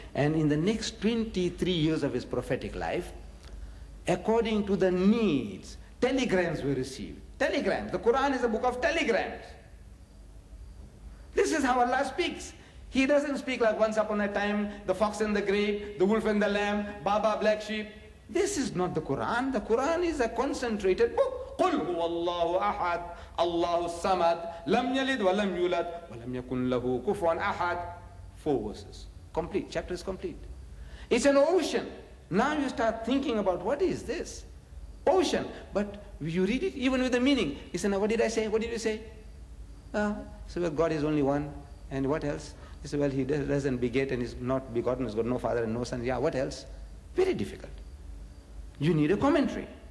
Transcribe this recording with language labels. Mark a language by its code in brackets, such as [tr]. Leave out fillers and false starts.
[en] And in the next 23 years of his prophetic life, according to the needs, telegrams were received. Telegrams. The Quran is a book of telegrams. This is how Allah speaks. He doesn't speak like once upon a time, the fox and the grape, the wolf and the lamb, Baba, black sheep. This is not the Quran. The Quran is a concentrated book. [ar] قُلْ هُوَ اللَّهُ أَحَدْ اللَّهُ السَّمَدْ لَمْ يَلِدْ وَلَمْ يُولَدْ وَلَمْ يَكُنْ لَهُ كُفُوًا أَحَدْ [en] Four verses. Complete. Chapter is complete. It's an ocean. Now you start thinking about what is this? Ocean. But you read it even with the meaning. You say, now what did I say? What did you say? So well, God is only one. And what else? He said, well, he doesn't beget and he's not begotten, he's got no father and no son. Yeah, what else? Very difficult. You need a commentary.